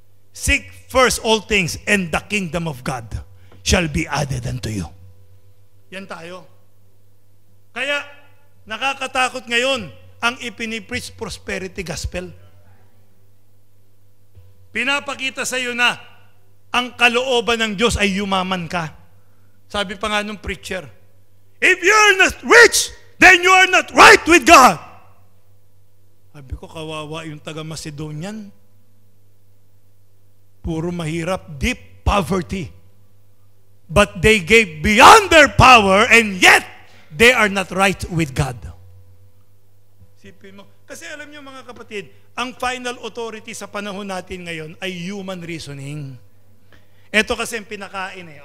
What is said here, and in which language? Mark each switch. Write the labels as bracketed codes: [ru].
[en] Seek first all things and the kingdom of God shall be added unto you. [tl] Yan tayo. Kaya, nakakatakot ngayon ang ipinipreach prosperity gospel. Pinapakita sa iyo na ang kalooban ng Diyos ay yumaman ka. Sabi pa nga nung [en] preacher, if you are not rich, then you are not right with God. [tl] Sabi ko, kawawa yung taga-Macedonian. Puro mahirap, [en] deep poverty. But they gave beyond their power and yet they are not right with God. [tl] Sipin mo. Kasi alam niyo mga kapatid, ang final authority sa panahon natin ngayon ay human reasoning. Ito kasi ang pinakain eh.